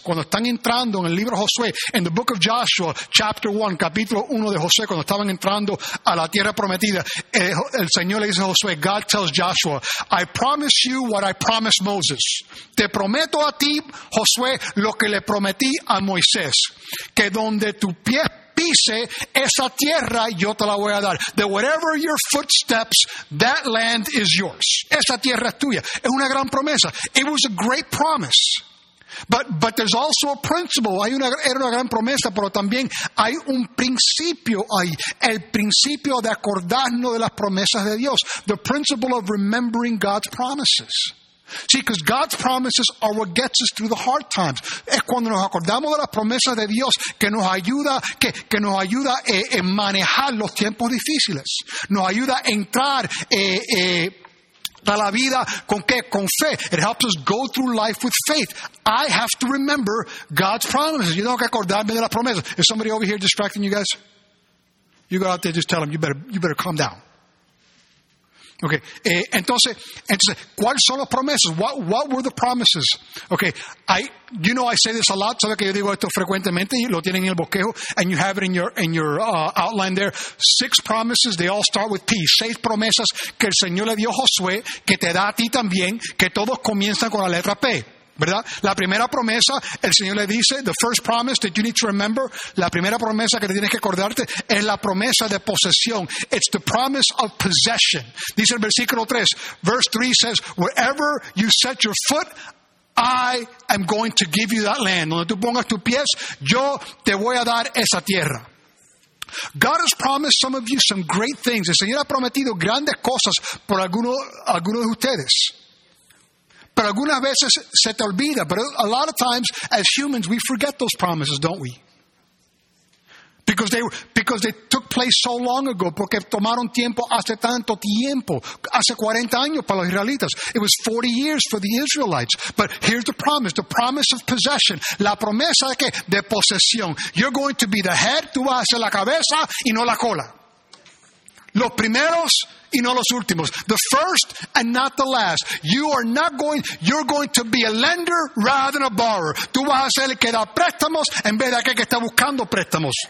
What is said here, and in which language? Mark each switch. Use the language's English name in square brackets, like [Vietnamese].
[Spanish] Cuando están entrando en el libro de Josué, [English] in the book of Joshua, chapter 1, [Spanish] capítulo 1 de Josué, cuando estaban entrando a la tierra prometida, el Señor le dice a Josué, [English] God tells Joshua, I promise you what I promised Moses. [Spanish] Te prometo a ti, Josué, lo que le prometí a Moisés, que donde tu pie pise, esa tierra yo te la voy a dar. [English] That wherever your footsteps, that land is yours. [Spanish] Esa tierra es tuya. Es una gran promesa. [English] It was a great promise. But there's also a principle. [Spanish] Era una gran promesa, pero también hay un principio ahí. El principio de acordarnos de las promesas de Dios. [English] The principle of remembering God's promises. See, because God's promises are what gets us through the hard times. [Spanish] Es cuando nos acordamos de las promesas de Dios que nos ayuda, que nos ayuda a manejar los tiempos difíciles. Nos ayuda a entrar a la vida con qué, con fe. [English] It helps us go through life with faith. I have to remember God's promises. [Spanish] Yo tengo que acordarme de las promesas. [English] Is somebody over here distracting you guys? You go out there, just tell them you better calm down. [Spanish] Okay, entonces, ¿cuáles son las promesas? [English] What were the promises? Okay, I say this a lot, [Spanish] sabe que yo digo esto frecuentemente, y lo tienen en el bosquejo, [English] and you have it in your outline there. Six promises, they all start with P. [Spanish] Seis promesas que el Señor le dio a Josué, que te da a ti también, que todos comienzan con la letra P. ¿Verdad? La primera promesa, el Señor le dice, [English] the first promise that you need to remember, [Spanish] la primera promesa que te tienes que acordarte es la promesa de posesión. [English] It's the promise of possession. [Spanish] Dice el versículo 3. [English] Verse 3 says, wherever you set your foot, I am going to give you that land. [Spanish] Donde tú pongas tus pies, yo te voy a dar esa tierra. [English] God has promised some of you some great things. [Spanish] El Señor ha prometido grandes cosas por algunos de ustedes. Pero algunas veces se te olvida. [English] But a lot of times, as humans, we forget those promises, don't we? Because they took place so long ago. [Spanish] Porque tomaron tiempo hace tanto tiempo. Hace 40 años para los israelitas. [English] It was 40 years for the Israelites. But here's the promise of possession. [Spanish] La promesa de qué? De posesión. [English] You're going to be the head, [Spanish] tú vas a ser la cabeza y no la cola. Los primeros y no los últimos. [English] The first and not the last. You're going to be a lender rather than a borrower. [Spanish] Tú vas a ser el que da préstamos en vez de aquel que está buscando préstamos.